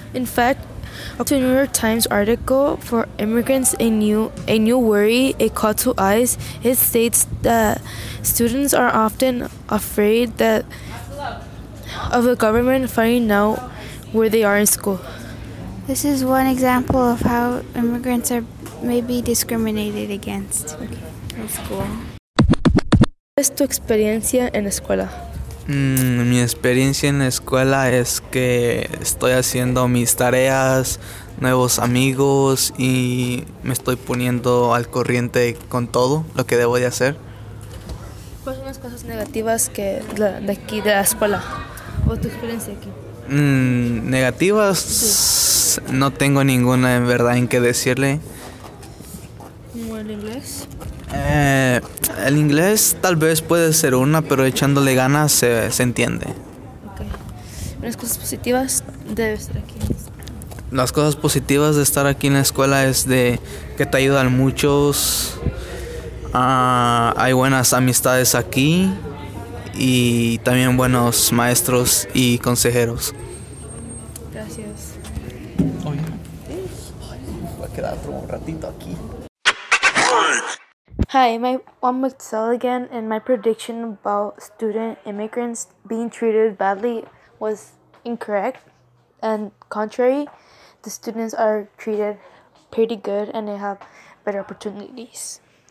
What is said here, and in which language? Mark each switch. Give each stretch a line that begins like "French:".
English: In fact, to a New York Times article, for immigrants, a new worry, a call to eyes, it states that students are often afraid that of the government finding out where they are in school. This is one example of how immigrants are may be discriminated against in school.
Spanish: ¿Cuál es tu experiencia en la escuela? Mi experiencia en la escuela es que estoy haciendo mis tareas, nuevos amigos y me estoy poniendo al corriente con todo lo que debo de hacer. ¿Cuáles son las cosas negativas que de aquí, de la escuela, o tu experiencia aquí? Negativas, sí. No tengo ninguna en verdad en qué decirle. ¿Cómo el inglés? El inglés tal vez puede ser una, pero echándole ganas se entiende. Okay. ¿Las cosas positivas de estar aquí? Las cosas positivas de estar aquí en la escuela es de que te ayudan muchos. Hay buenas amistades aquí y también buenos maestros y consejeros. Gracias. Oye. Voy a quedar un ratito aquí.
English: Hi, I'm Excel again, and my prediction about student immigrants being treated badly was incorrect. And contrary, the students are treated pretty good and they have better opportunities.